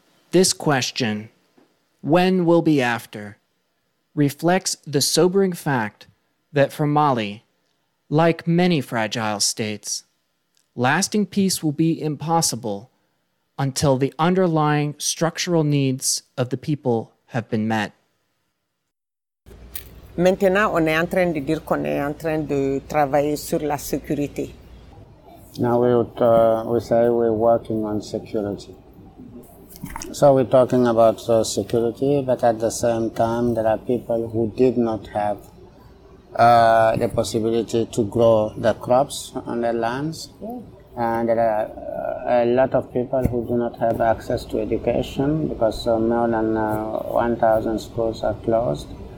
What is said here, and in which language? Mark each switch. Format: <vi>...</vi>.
<en>This question, when will be after, reflects the sobering fact that for Mali, like many fragile states, lasting peace will be impossible until the underlying structural needs of the people have been met.</en> <fr>Maintenant, on est en train de dire qu'on est en train de travailler sur la sécurité.</fr> <en>Now we say we're working on security. So we're talking about security, but at the same time, there are people who did not have the possibility to grow the crops on their lands. And there are a lot of people who do not have access to education because more than 1,000 schools are closed.</en>